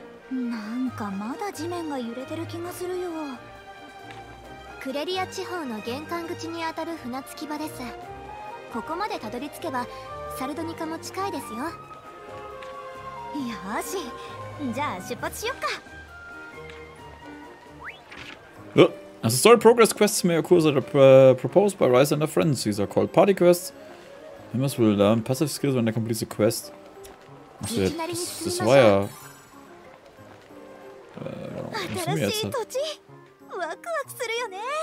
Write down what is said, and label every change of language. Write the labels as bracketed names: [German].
[Japanese] Nanka, まだ地面が揺れてる気がするよ。クレリア地方の玄関口にあたる船着き場です。ここまでたどり着けばサルドニカも近いですよ。よし、じゃあ出発しよっか。 [English] As a story progress, quests may occur that are proposed by Rise and her friends. These are called party quests. Members will learn passive skills when they complete the quest. This wire. [Japanese] 新しい土地、ワクワクするよね。